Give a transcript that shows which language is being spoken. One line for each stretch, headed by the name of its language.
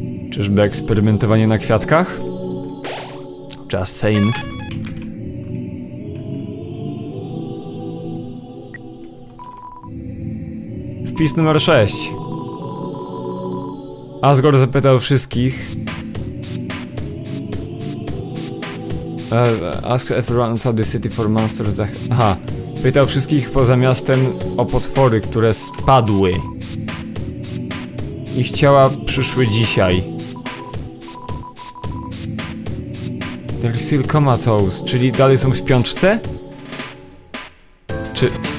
Polish: Czyżby eksperymentowanie na kwiatkach?
English: Just saying.
Polish: wpis numer 6. Asgore zapytał wszystkich.
English: Ask everyone outside the city for monsters. Aha.
Polish: Pytał wszystkich poza miastem o potwory, które spadły. Ich ciała przyszły dzisiaj.
English: They're still comatose,
Polish: czyli dalej są w śpiączce? Czy...